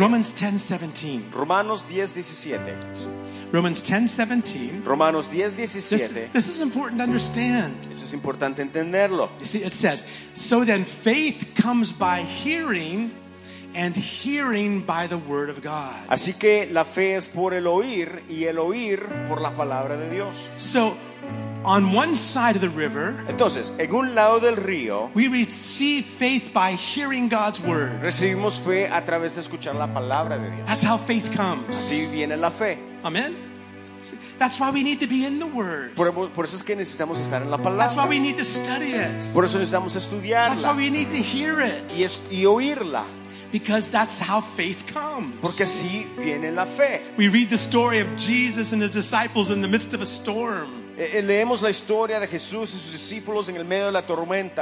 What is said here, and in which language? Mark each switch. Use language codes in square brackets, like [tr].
[en] Romans 10:17. [es] Romanos 10:17. [en] Romans 10:17. [es] Romanos 10:17. [en] This is important to understand. [es] Eso es importante entenderlo. [en] You see, it says, "So then faith comes by hearing, and hearing by the word of God." [es] Así que la fe es por el oír, y el oír por la palabra de Dios. [en] So, on one side of the river, [es] entonces, en un lado del río, [en] we receive faith by hearing God's word. [es] Recibimos fe a través de escuchar la palabra de Dios. [en] That's how faith comes. [es] Así viene la fe. [en] Amen. That's why we need to be in the word. [es] Por eso es que necesitamos estar en la palabra. [en] That's why we need to study it. [es] Por eso necesitamos estudiarla. [en] That's why we need to hear it. [es] Y oírla. [en] Because that's how faith comes. [es] Porque así viene la fe. [en] We read the story of Jesus and his disciples in the midst of a storm. [es] Leemos la historia de Jesús y sus discípulos en el medio de la tormenta.